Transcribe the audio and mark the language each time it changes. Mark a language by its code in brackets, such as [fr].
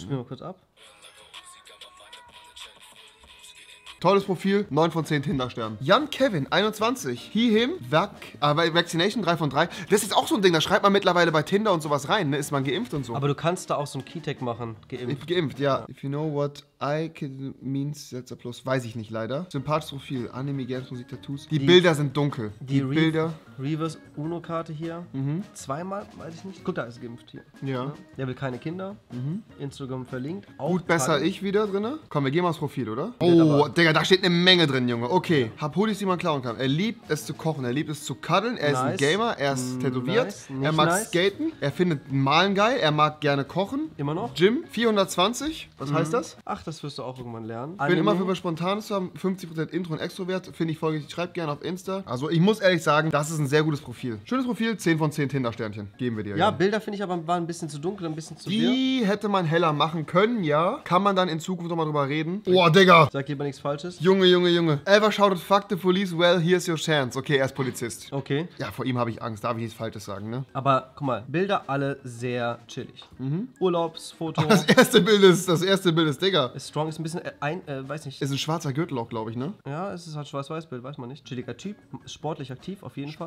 [de] Ne? Spielen wir kurz ab. Tolles Profil, 9 von 10 Tinder-Sternen. Jan Kevin, 21. He, him, Vaccination, 3 von 3. Das ist auch so ein Ding, da schreibt man mittlerweile bei Tinder und sowas rein, ne? Ist man geimpft und so. Aber du kannst da auch so ein Keytag machen, geimpft. Geimpft, ja. [en] If you know what I can means, that's a plus. [de] Weiß ich nicht, leider. Sympathisches Profil, Anime, Games, Musik, Tattoos. Die Bilder sind dunkel. Die Bilder. Reverse Uno-Karte hier. Zweimal, weiß ich nicht. Guck, da ist geimpft hier. Ja. Der will keine Kinder. Instagram verlinkt. Auch gut, besser Karte. Ich wieder drin. Komm, wir gehen mal ins Profil, oder? Oh, Digga, da steht eine Menge drin, Junge. Okay. Ja. Hab Hoodies, die man klauen kann. Er liebt es zu kochen. Er liebt es zu cuddeln. Er ist ein Gamer. Er ist tätowiert. Nice. Er mag nice. Skaten. Er findet Malen geil. Er mag gerne kochen. Immer noch. Gym. 420. Was heißt das? Ach, das wirst du auch irgendwann lernen. Ich bin immer für was Spontanes zu haben. 50% Intro und Extrovert. Finde ich folglich. Schreib gerne auf Insta. Also, ich muss ehrlich sagen, das ist ein sehr gutes Profil. Schönes Profil, 10 von 10 Tinder-Sternchen. Geben wir dir. Ja, Bilder finde ich aber waren ein bisschen zu dunkel, ein bisschen zu wirr. Die hätte man heller machen können, ja. Kann man dann in Zukunft nochmal drüber reden. Boah, Digga. Sag lieber nichts Falsches. Junge, Junge, Junge. [en] Ever shouted fuck the police, well, here's your chance. [de] Okay, er ist Polizist. Okay. Ja, vor ihm habe ich Angst. Darf ich nichts Falsches sagen, ne? Aber guck mal, Bilder alle sehr chillig. Urlaubsfoto. Das erste Bild ist, Digga. Ist strong, ist ein bisschen, weiß nicht. Ist ein schwarzer Gürtel auch, glaube ich, ne? Ja, es ist halt Schwarz-Weiß-Bild, weiß man nicht. Chilliger Typ, sportlich aktiv auf jeden Fall.